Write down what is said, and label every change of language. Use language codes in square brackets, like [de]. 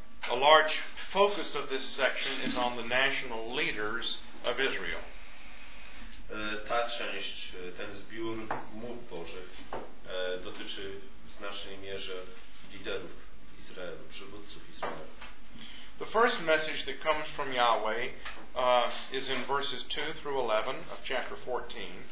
[en] A large focus of this section is on the national leaders of Israel. [pl] Ta część, ten zbiór mów Bożych dotyczy w znacznej mierze liderów Izraelu, przywódców Izraela. [en] The first message that comes from Yahweh is in verses 2 through 11 of chapter 14.